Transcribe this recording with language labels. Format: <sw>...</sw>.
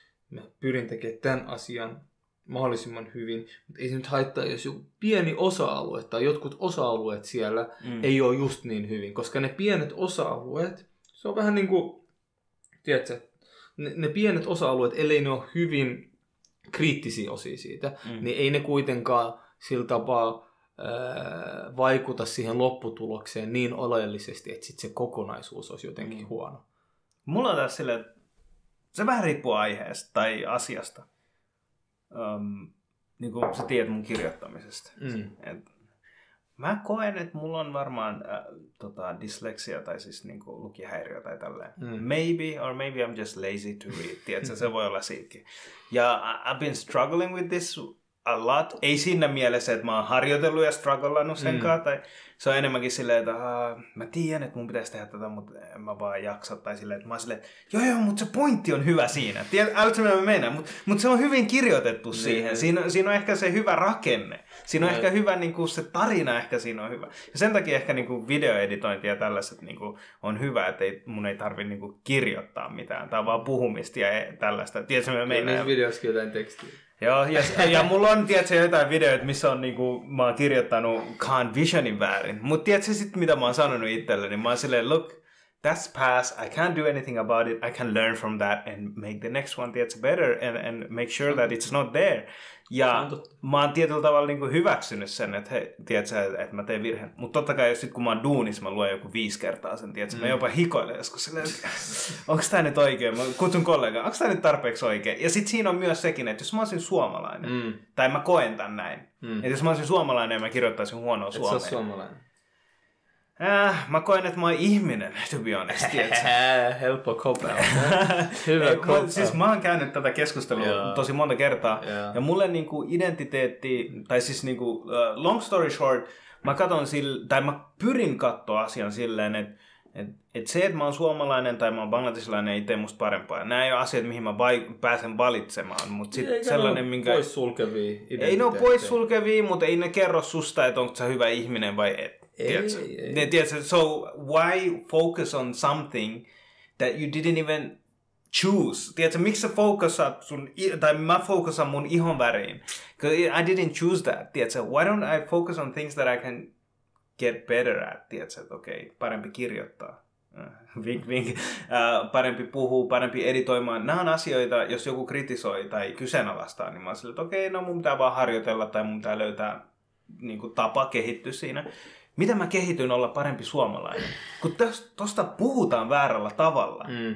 <fi>Mä pyrin tekemään tämän asian mahdollisimman hyvin, mutta ei se nyt haittaa, jos joku pieni osa-alue tai jotkut osa-alueet siellä ei ole just niin hyvin, koska ne pienet osa-alueet, se on vähän niin kuin, tiedätkö, ne pienet osa-alueet, ellei ne ole hyvin kriittisiä osia siitä, niin ei ne kuitenkaan sillä tapaa vaikuta siihen lopputulokseen niin oleellisesti, että sitten se kokonaisuus olisi jotenkin huono. Mulla on tässä silleen, se vähän riippuu aiheesta tai asiasta. Niin kuin sä tiedät mun kirjoittamisesta. Mä koen, että mulla on varmaan dysleksia tai siis niinku lukihäiriö tai tälleen.</fi> <en>Maybe I'm just lazy to read.</en> <fi>Tiedätkö, se voi olla siitäkin.</fi> <en>Ja I've been struggling with this a lot.</en> <fi>Ei siinä mielessä, että mä oon harjoitellut ja struggleannut senkaan. Tai se on enemmänkin silleen, että mä tiedän, että mun pitäisi tehdä tätä, mutta en mä vaan jaksa. Tai silleen, että mä oon silleen, että joo, mutta se pointti on hyvä siinä. Älä mitä mä menen. Mutta se on hyvin kirjoitettu siihen. Siinä on ehkä se hyvä rakenne. Siinä on ehkä hyvä, niin kuin se tarina ehkä siinä on hyvä. Ja sen takia ehkä niin kuin videoeditointi ja tällaiset niin kuin on hyvä, että mun ei tarvitse niin kuin kirjoittaa mitään. Tämä on vaan puhumista ja tällaista. Tiedätkö mitä mä menen? Niin videossakin jotain tekstiä. Joo, ja mulla on, tiedätkö, jotain videoita, missä on, niinku, mä oon kirjoittanut Khan Visionin väärin. Mutta tiedätkö sitten, mitä mä oon sanonut itselleni? Niin mä oon silleen,</fi> <en>look, that's past, I can't do anything about it, I can learn from that and make the next one,</en> <fi>tiedätkö,</fi> <en>better and make sure that it's not there.</en> <fi>Ja mä oon tietyllä tavalla niinku hyväksynyt sen, että hei, tiedätkö, että mä teen virheen. Mutta totta kai, jos sit kun mä oon duunissa, mä luen joku 5 kertaa sen, tiedätkö, mä jopa hikoilen joskus silleen, onks tää nyt oikein? Mä kutsun kollegaa, onks tää nyt tarpeeksi oikein? Ja sit siinä on myös sekin, että jos mä olisin suomalainen, tai mä koen tän näin, että jos mä olisin suomalainen ja mä kirjoittaisin huonoa suomea. Et sä suomalainen. Mä koen, että mä oon ihminen,</fi> <en>to be honest.</en> <fi>Helppo kopea. Hyvä kopea. Siis mä oon käynyt tätä keskustelua tosi monta kertaa. Yeah. Ja mulle niinku identiteetti, tai siis niinku,</fi> <en>long story short,</en> <fi>mä pyrin katsoa asian silleen, että se, että mä oon suomalainen tai mä oon bangladesilainen, ei tee musta parempaa. Nämä ei ole asiat, mihin mä pääsen valitsemaan. Mutta sit sellainen, minkä... Poissulkevia identiteettejä. Ei ne ole poissulkevia, mutta ei ne kerro susta, että onko sä hyvä ihminen vai et. Tiedätkö?</fi> <en>So why focus on something that you didn't even choose?</en> <fi>Tiedätkö, miksi sä fokusat sun, tai mä fokusan mun ihon väriin?</fi> <en>I didn't choose that.</en> <fi>Tiedätkö,</fi> <en>why don't I focus on things that I can get better at?</en> <fi>Tiedätkö, että okei, parempi kirjoittaa. Vink, vink. Parempi puhuu, parempi editoimaan. Nämä on asioita, jos joku kritisoi tai kyseenalaistaa, niin mä oon silleen, että okei, no mun pitää vaan harjoitella tai mun pitää löytää niin kuin tapa kehittyä siinä. Mitä mä kehityn olla parempi suomalainen? Kun tosta puhutaan väärällä tavalla. Mm.</fi>